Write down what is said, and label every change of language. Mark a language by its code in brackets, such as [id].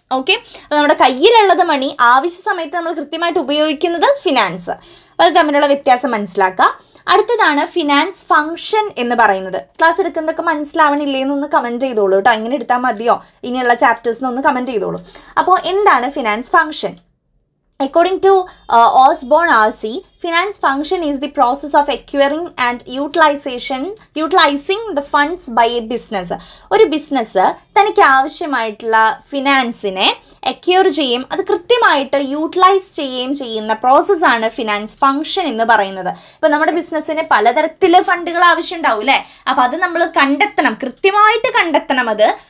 [ml] Okay, നമ്മുടെ കയ്യിലുള്ളത് മണി, ആവശ്യ സമയത്ത് നമ്മൾ കൃത്യമായിട്ട് ഉപയോഗിക്കുന്നത് ഫിനാൻസ്. അത് തമ്മിലുള്ള വ്യത്യാസം മനസ്സിലാക്കുക. അടുത്തതാണ് ഫിനാൻസ് ഫംഗ്ഷൻ എന്ന് പറയുന്നത്. ക്ലാസ് എടുക്കുന്നതൊക്കെ മനസ്സിലാവണില്ലേന്നൊന്ന് കമൻറ്റ് ചെയ്തോളൂ കേട്ടോ. എങ്ങനെ എടുത്താൽ മതിയോ, ഇനിയുള്ള ചാപ്റ്റേഴ്സിനൊന്ന് കമൻറ്റ് ചെയ്തോളൂ. അപ്പോൾ എന്താണ് finance function? [en] According to Osborne RC, finance function is the process of acquiring and utilizing the funds by a business. [ml] ഒരു business തനിക്ക് ആവശ്യമായിട്ടുള്ള ഫിനാൻസിനെ acquire ചെയ്യുകയും അത് കൃത്യമായിട്ട് യൂട്ടിലൈസ് ചെയ്യുകയും ചെയ്യുന്ന പ്രോസസ് ആണ് ഫിനാൻസ് ഫംഗ്ഷൻ എന്ന് പറയുന്നത്. ഇപ്പൊ നമ്മുടെ ബിസിനസ്സിന് പലതരത്തിലെ ഫണ്ടുകൾ ആവശ്യമുണ്ടാവും അല്ലെ. അപ്പൊ അത് നമ്മൾ കണ്ടെത്തണം, കൃത്യമായിട്ട് കണ്ടെത്തണം അത്.